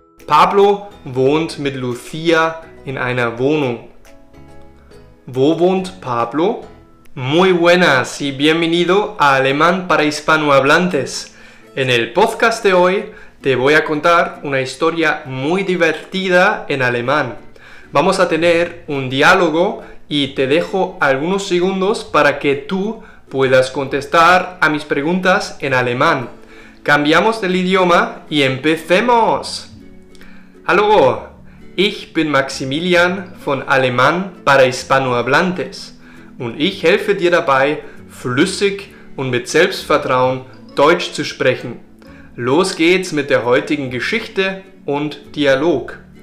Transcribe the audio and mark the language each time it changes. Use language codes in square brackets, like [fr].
[de] Pablo wohnt mit Lucia in einer Wohnung. Wo wohnt Pablo? [es] Muy buenas y bienvenido a Alemán para Hispanohablantes. En el podcast de hoy te voy a contar una historia muy divertida en alemán. Vamos a tener un diálogo y te dejo algunos segundos para que tú puedas contestar a mis preguntas en alemán. Cambiamos del idioma y empecemos. [de] Hallo, ich bin Maximilian von Alemán para Hispanohablantes und ich helfe dir dabei, flüssig und mit Selbstvertrauen Deutsch zu sprechen. Los geht's mit der heutigen Geschichte und Dialog.